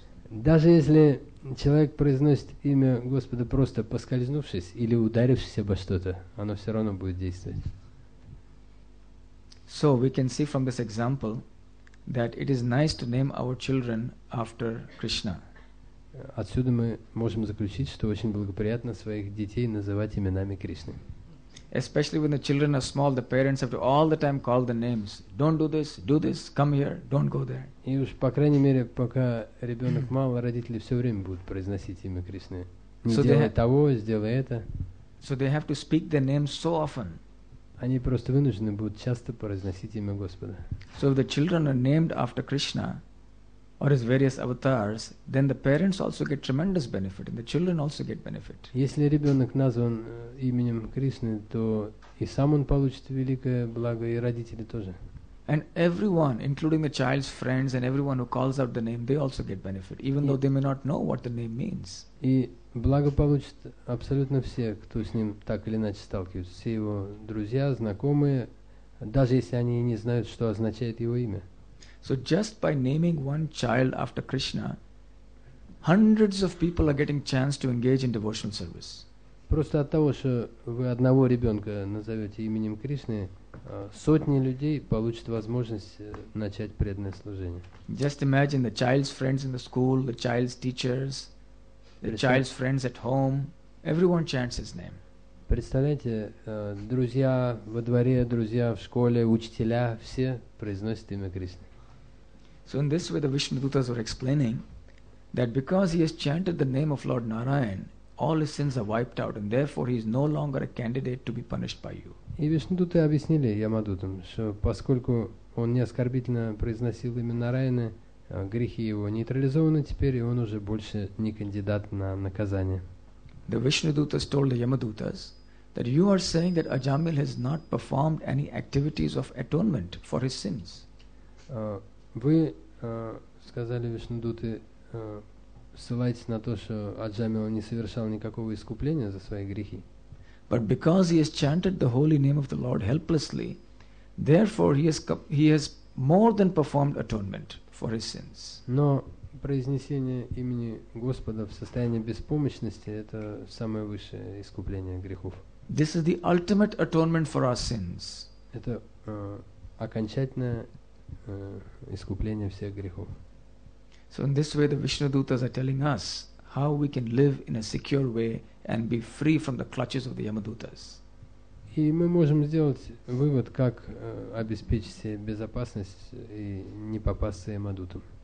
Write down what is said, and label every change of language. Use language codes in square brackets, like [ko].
[ru] Даже если человек произносит имя Господа просто поскользнувшись или ударившись обо что-то, оно все равно будет действовать. [en] So we can see from this example that it is nice to name our children after Krishna. [ru] Отсюда мы можем заключить, что очень благоприятно своих детей называть именами Кришны. [en] Especially when the children are small, the parents have to all the time call the names. Don't do this, do this, come here, don't go there. [ru] И уж, по крайней мере, пока ребенок мал, родители все время будут произносить имя Кришны. Не делай того, сделай это. [en] So they have to speak the names so often. [ru] Они просто вынуждены будут часто произносить имя Господа. [en] So if the children are named after Krishna or his various avatars, then the parents also get tremendous benefit and the children also get benefit. [ru] Если ребенок назван именем Кришны, то и сам он получит великое благо, и родители тоже. [en] And everyone, including the child's friends and everyone who calls out the name, they also get benefit, even though they may not know what the name means. [ru] И благо получат абсолютно все, кто с ним так или иначе сталкивается, все его друзья, знакомые, даже если они не знают, что означает его имя. [en] So just by naming one child after Krishna, hundreds of people are getting chance to engage in devotional service. [ru] Просто от того, что вы одного ребенка назовете именем Кришны, сотни людей получат возможность начать преданное служение. [en] Just imagine the child's friends in the school, the child's teachers, the child's friends at home, everyone chants his name. [ru] Представляете, друзья во дворе, друзья в школе, учителя, все произносят имя Кришны. [en] So in this way the Vishnudutas were explaining that because he has chanted the name of Lord Narayan, all his sins are wiped out and therefore he is no longer a candidate to be punished by you. [ru] И Вишнудуты объяснили Ямадутам, что поскольку он неоскорбительно произносил имя Нараяны, грехи его нейтрализованы теперь, и он уже больше не кандидат на наказание. [en] The Vishnudutas told the Yamadutas that you are saying that Ajamil has not performed any activities of atonement for his sins. [ru] Вы сказали, Вишнудуты, ссылайтесь на то, что Аджамил не совершал никакого искупления за свои грехи. [en] But because he has chanted the holy name of the Lord helplessly, therefore he has more than performed atonement for his sins. [ru] Но произнесение имени Господа в состоянии беспомощности – это самое высшее искупление грехов. [en] This is the ultimate atonement for our sins. [ru] Это окончательное искупление всех грехов. [en] So in this way the Vishnudutas are telling us how we can live in a secure way and be free from the clutches of the Yamadutas. [ru] И мы можем сделать вывод, как обеспечить себе безопасность и не попасться Ямадутам.